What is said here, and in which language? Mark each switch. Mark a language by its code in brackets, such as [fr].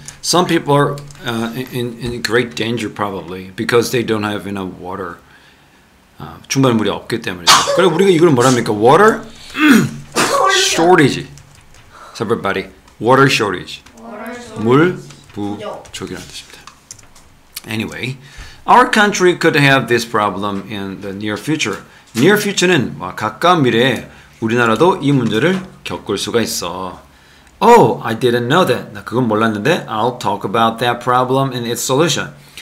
[en] Some people are in great danger probably because they don't have enough water. [ko] 충분한 물이 없기 때문에. 그리고 우리가 이걸 뭐랍니까? [en] Water shortage. So everybody, water shortage. [ko] 물 부족이라는 뜻입니다. [en] Anyway, our country could have this problem in the near future. [ko] Near future는 가까운 미래에 우리나라도 이 문제를 겪을 수가 있어. [en] Oh, I didn't know that. [ko] 나 그건 몰랐는데 [en] I'll talk about that problem and its solution.